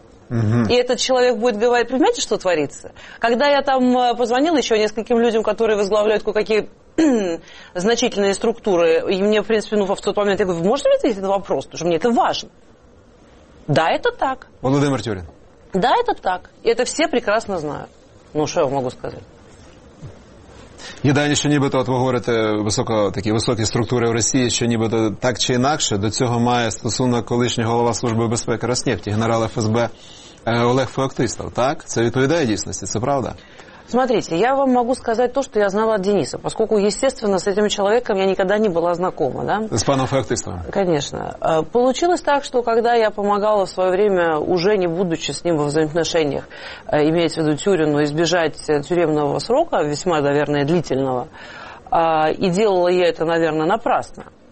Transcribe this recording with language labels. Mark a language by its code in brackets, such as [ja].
[ru] И этот человек будет говорить, понимаете, что творится? Когда я там позвонила еще нескольким людям, которые возглавляют кое-какие значительные структуры, и мне, в принципе, ну, в тот момент, я говорю, вы можете мне ответить на вопрос, потому что мне это важно. Да, это так. Володимир Тюрин. Да, это так. И это все прекрасно знают. [uk] Ну, що я можу сказати? Єдині, що нібито, от ви говорите, високо, такі високі структури в Росії, що нібито так чи інакше до цього має стосунок колишній голова Служби безпеки Роснефті, генерал ФСБ Олег Феоктистов, так? Це відповідає дійсності, це правда? [ru] Смотрите, я вам могу сказать то, что я знала от Дениса, поскольку, естественно, с этим человеком я никогда не была знакома, да? С паном Феоктистовым? Конечно. Получилось так, что когда я помогала в свое время, уже не будучи с ним во взаимоотношениях, имеется в виду Тюрину, избежать тюремного срока, весьма, наверное, длительного, и делала я это, наверное, напрасно.